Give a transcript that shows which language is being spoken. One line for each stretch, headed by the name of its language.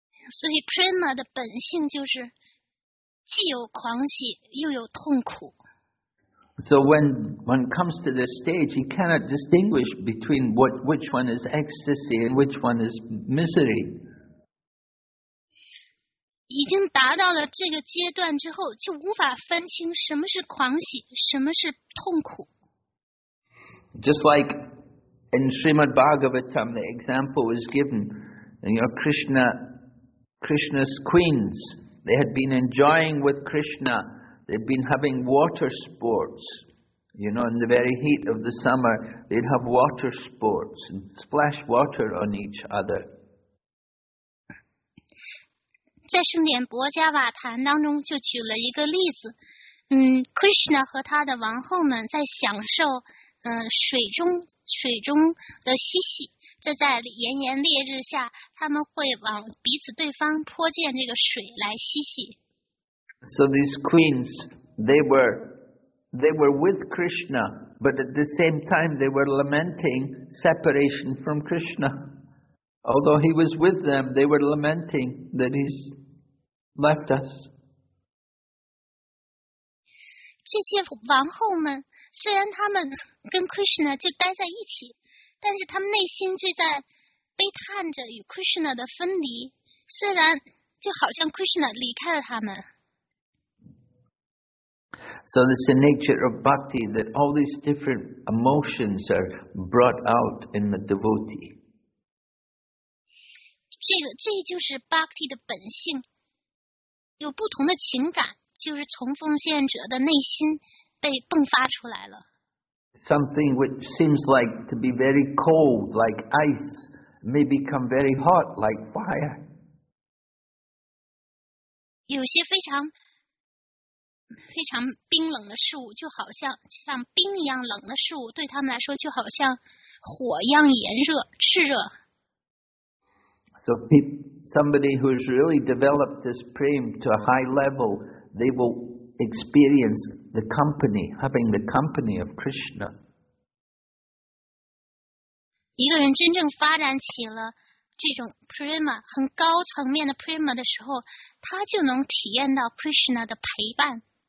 Chinese: 所以 prema 的本性就是既有狂喜又有痛苦。
English: So when one comes to this stage, he cannot distinguish between which one is ecstasy and which one is misery.
Chinese: 已经达到了这个阶段之后，就无法分清什么是狂喜，什么是痛苦。
English: Just like in Srimad Bhagavatam, the example was given, you know, Krishna's queens, they had been enjoying with Krishna. They'd been having water sports. You know, in the very heat of the summer, they'd have water sports and splash water on each other.
Chinese: 在圣典博加瓦坛当中就举了一个例子。 Krishna 和他的王后们在享受水中的嬉戏。在炎炎烈日下，他们会往彼此对方泼溅这个水来嬉戏。
English: So these queens, they were with Krishna, but at the same time they were lamenting separation from Krishna. Although he was with them, they were lamenting that he's left us.
Chinese: 这些王后们虽然他们跟 Krishna 就待在一起。但是他们内心却在悲叹着与 Krishna 的分离，虽然就好像 Krishna 离开了他们。
English: So it's the nature of bhakti that all these different emotions are brought out in the devotee.
Chinese: 这就是 bhakti 的本性，有不同的情感，就是从奉献者的内心被迸发出来了。
English: Something which seems like to be very cold, like ice, may become very hot, like fire.
Chinese: 有些非常非常冰冷的事物，就好像像冰一样冷的事物，对他们来说就好像火一样炎热、炽热。
English: So somebody who's really developed this prem to a high level, they will experience the company, having the company of Krishna.
Chinese: 一个人真正发展起了这种 prema, 很高层面的 prema 的时候，他就能体验到 Krishna 的陪伴。